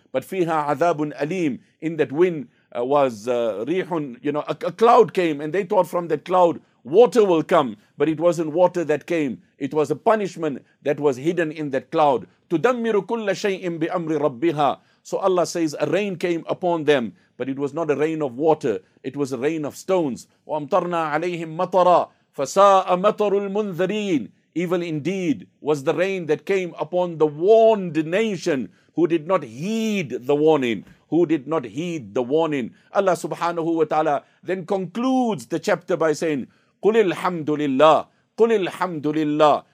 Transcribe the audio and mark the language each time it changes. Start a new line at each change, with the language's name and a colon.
English: But
Arabic: فيها عذاب أليم,
English: in that wind was ريحٌ, you know, a cloud came, and they thought from that cloud water will come. But it wasn't water that came; it was a punishment that was hidden in that cloud.
Arabic: تدمر كل شيء بأمر ربها.
English: So Allah says a rain came upon them, but it was not a rain of water; it was a rain of stones.
Arabic: وامطرنا عليهم مطرا فساء مطر المنذرين.
English: Evil indeed was the rain that came upon the warned nation who did not heed the warning, who did not heed the warning. Allah subhanahu wa ta'ala then concludes the chapter by saying,
Arabic: قُلِ الْحَمْدُ لِلَّهِ, قل الحمد لله.